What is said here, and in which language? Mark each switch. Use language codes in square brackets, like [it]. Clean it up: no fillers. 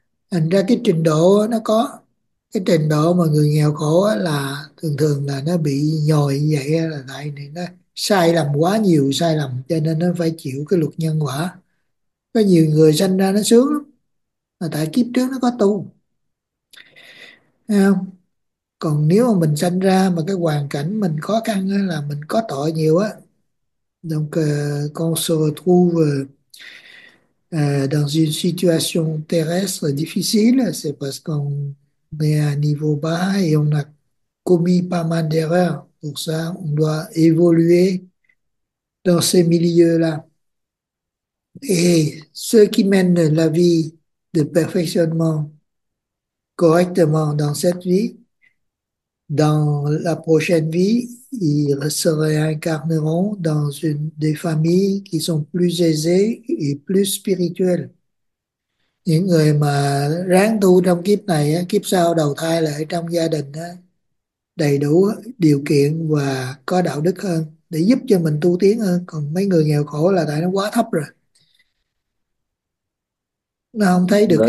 [vi] Thành ra cái trình độ nó có cái trình độ mà người nghèo khổ là thường thường là nó bị nhồi vậy, là tại vì nó sai lầm quá nhiều sai lầm cho nên nó phải chịu cái luật nhân quả. Có nhiều người sanh ra nó sướng lắm mà tại kiếp trước nó có tu, không? Còn nếu mà mình sanh ra mà cái hoàn cảnh mình khó khăn á, là mình có tội nhiều á, [fr] donc con se retrouve dans une situation terrestre difficile, c'est parce qu'on est à un niveau bas et on a commis pas mal d'erreurs. Pour ça, on doit évoluer dans ces milieux-là. Et ceux qui mènent la vie de perfectionnement correctement dans cette vie, dans la prochaine vie, ils se réincarneront dans une des familles qui sont plus aisées et plus spirituelles. [vi] Những người mà ráng tu trong kiếp này, kiếp sau đầu thai lại trong gia đình đầy đủ điều kiện và có đạo đức hơn để giúp cho mình tu tiến hơn. Còn mấy người nghèo khổ là tại nó quá thấp rồi, nó không thấy được cái